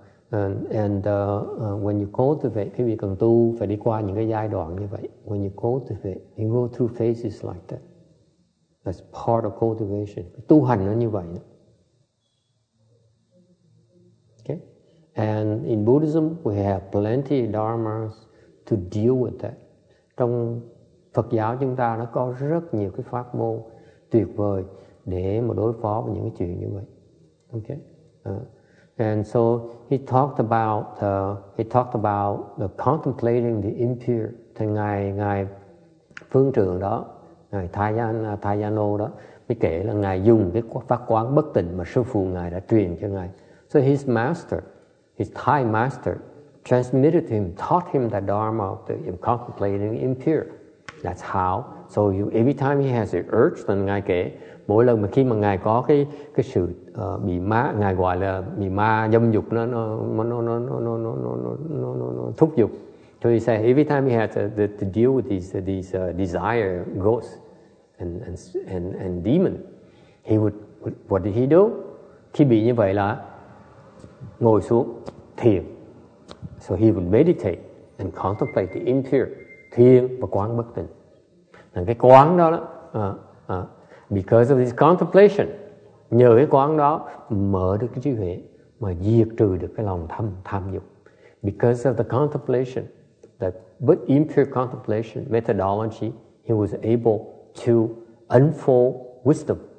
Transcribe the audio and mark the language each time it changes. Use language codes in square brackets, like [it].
[en] And when you cultivate, [vi] khi bị cần tu, phải đi qua những cái giai đoạn như vậy. [en] When you cultivate, you go through phases like that. That's part of cultivation. [vi] Tu hành nó như vậy. [en] Okay. And in Buddhism, we have plenty of dharmas to deal with that. [vi] Trong Phật giáo chúng ta nó có rất nhiều cái pháp môn tuyệt vời để mà đối phó với những cái chuyện như vậy. [en] Okay. And so he talked about the contemplating the impure. [vi] Thì ngài phương trưởng đó, ngài Thayano đó mới kể là ngài dùng cái pháp quán bất tịnh mà sư phụ ngài đã truyền cho ngài. [en] So his master, his Thai master, transmitted to him, taught him the dharma of the contemplating impure. That's how. So you, every time he has an urge, then [vi] ngài kể mỗi lần mà khi mà ngài có cái sự bị ma, ngài gọi là bị ma dâm dục nó thúc dục. [en] So he said every time he had to deal with these desire ghosts and demon, he would, what did he do? [vi] Khi bị như vậy là ngồi xuống thiền. [en] So he would meditate and contemplate the impure, [vi] thiền và quán bất tịnh. Là cái quán đó, [en] because of this contemplation, [vi] nhờ cái quán đó mở được cái trí huệ mà diệt trừ được cái lòng tham dục. [en] Because of the contemplation, but impure contemplation methodology, he was able to unfold wisdom.